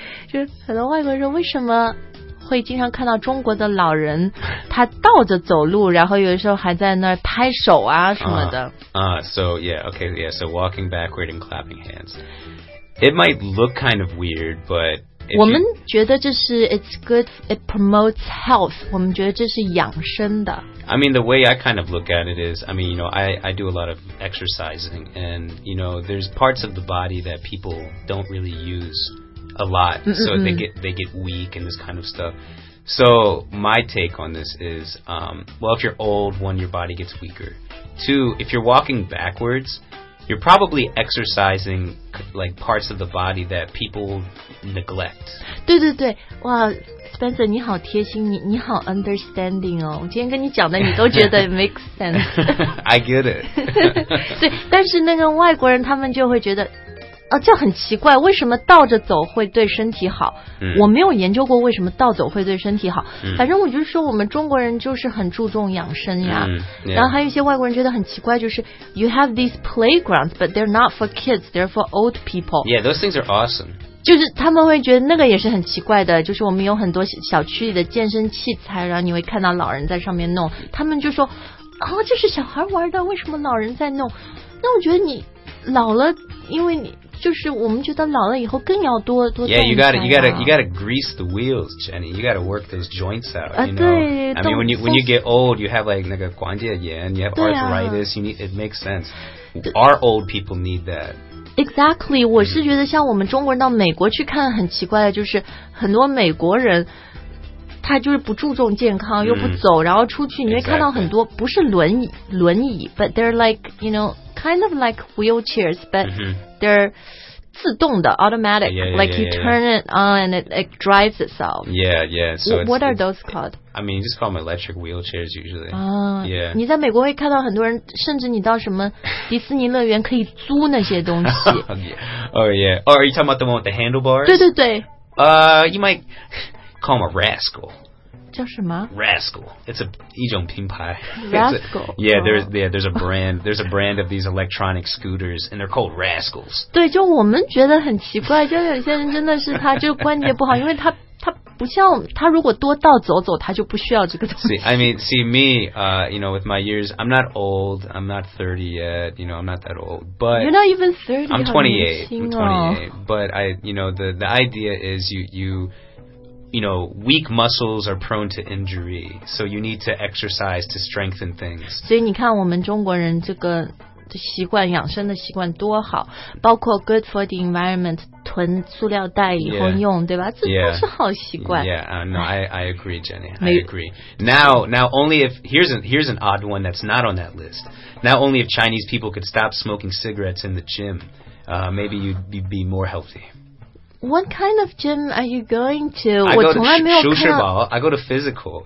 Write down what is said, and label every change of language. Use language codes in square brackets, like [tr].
[zh] 就很多外国人说，为什么会经常看到中国的老人他倒着走路，然后有的时候还在那儿拍手啊什么的。 [en] So walking backward and clapping hands. It might look kind of weird, but... [zh] 我们觉得这是 [en] it's good, it promotes health. [zh] 我们觉得这是养生的。 [en] I mean, the way I kind of look at it is, I mean, you know, I do a lot of exercising, and, you know, there's parts of the body that people don't really use a lot, so they get weak and this kind of stuff. So my take on this is, well, if you're old, one, your body gets weaker. Two, if you're walking backwards... You're probably exercising like parts of the body that people neglect. [zh] 对对对，哇 ，Spencer， 你好贴心，你好 understanding 哦。我今天跟你讲的，你都觉得 [en] makes sense. I get it. [zh] 对，但是那个外国人他们就会觉得，啊，这很奇怪，为什么倒着走会对身体好？我没有研究过为什么倒走会对身体好。反正我就说我们中国人就是很注重养生呀。然后还有一些外国人觉得很奇怪，就是 [en] you have these playgrounds, but they're not for kids, they're for old people. Yeah, those things are awesome. [zh] 就是他们会觉得那个也是很奇怪的，就是我们有很多小区里的健身器材，然后你会看到老人在上面弄，他们就说，哦，这是小孩玩的，为什么老人在弄？那我觉得你老了，因为你。就是我们觉得老了以后更要多动一下。 [en] Yeah, you gotta grease the wheels, Jenny. You gotta work those joints out. You know? [zh] 对。 [en] I mean, when you get old, you have like [zh] 那个关节炎, [en] you have arthritis. You need it makes sense. Our old people need that. Exactly. [zh] 我是觉得像我们中国人到美国去看很奇怪的，就是很多美国人。他就是不注重健康，又不走，然后出去你会看到很多、 [en] exactly. [zh] 不是轮椅 [en] but they're like you know kind of like wheelchairs but、mm-hmm. they're [zh] 自动的 [en] automatic, yeah, like you turn it on and it drives itself. Yeah, yeah. So what are those called? I mean, you just call them electric wheelchairs usually. Oh, yeah. [zh] 你在美国会看到很多人，甚至你到什么迪士尼乐园可以租那些东西。 [en] Oh, yeah. Oh, are you talking about the one with the handlebars? [zh] 对对对。 [en] You might call them a rascal. [zh] 叫什么 [en] Rascal. It's a [zh] 一种品牌 [en] Rascal. There's a brand of these electronic scooters, and they're called Rascals. [zh] 对，就我们觉得很奇怪，就有些人真的是他就关节不好，因为他不像他如果多倒走走，他就不需要这个东西。 [en] See, I mean, with my years, I'm not old. I'm not 30 yet. You know, I'm not that old. But you're not even 30. I'm 28. But I, you know, the idea is you know, weak muscles are prone to injury, so you need to exercise to strengthen things. [zh] 所以你看我们中国人这个习惯养生的习惯多好，包括 [en] good for the environment, [zh] 囤塑料袋以后用，对吧？这都是好习惯。 [en] Yeah, no, I agree, Jenny. I agree. Now only if, here's an odd one that's not on that list. Now only if Chinese people could stop smoking cigarettes in the gym, maybe you'd be more healthy. What kind of gym are you going to? I go to physical.